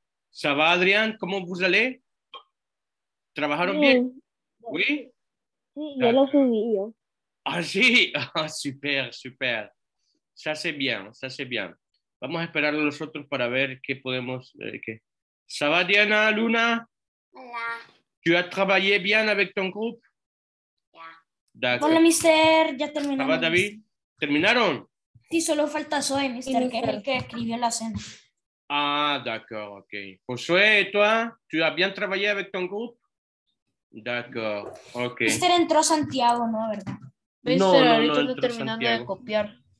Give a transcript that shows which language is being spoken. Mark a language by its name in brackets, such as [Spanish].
[French] ¿Ça va, Adrián? [Spanish] ¿Cómo [French] vous allez? [Spanish] ¿Trabajaron bien? [French] ¿Oui? [Spanish] Sí, ya lo subí yo. Ah, sí. [French] Ah, super, super. Ça c'est bien. [Spanish] Vamos a esperar a los otros para ver qué podemos. [French] ¿Ça va, Diana, Luna? [Spanish] Hola. [French] ¿Tu as travaillé bien avec ton groupe? [Spanish] Ya. [French] D'accord. [Spanish] Hola, mister. Ya terminamos. [French] ¿Ça va, David? [Spanish] ¿Terminaron? Sí, solo falta Zoe, mister, que es el que escribió la cena. [French] Ah, d'accord, ok. Josué, ¿toi? [Spanish] ¿Tú has bien trabajado con tu grupo? [French] D'accord, ok. [Spanish] Mister entró Santiago, ¿no? ¿Verdad? No, ahorita estoy terminando Santiago de copiar.